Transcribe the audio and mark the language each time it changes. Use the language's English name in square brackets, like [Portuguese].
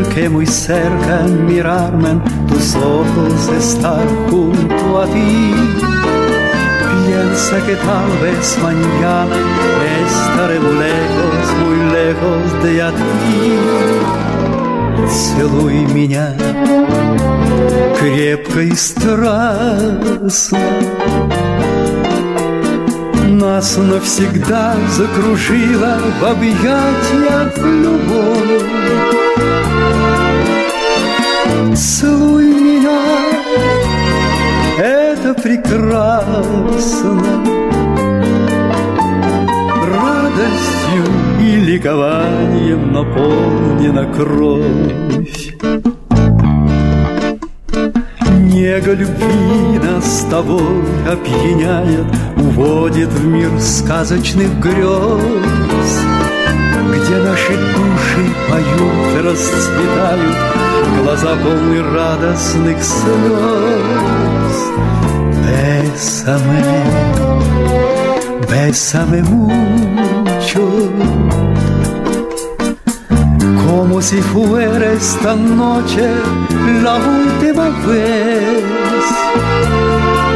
[Spanish] Muy cerca mirarme en tus ojos, estar junto a ti. Piensa que tal vez mañana estaré lejos, muy lejos de ti. [Russian] Целуй меня крепко и страстно, нас навсегда закружила в объятиях любовь. Целуй меня, это прекрасно, радостью и ликованием наполнена кровь. Нега любви нас с тобой опьяняет, уводит в мир сказочных грез, где наши души поют и расцветают, глаза полны радостных слез. [Spanish] Бесаме, бесаме мучо, como si fuera esta noche la última vez.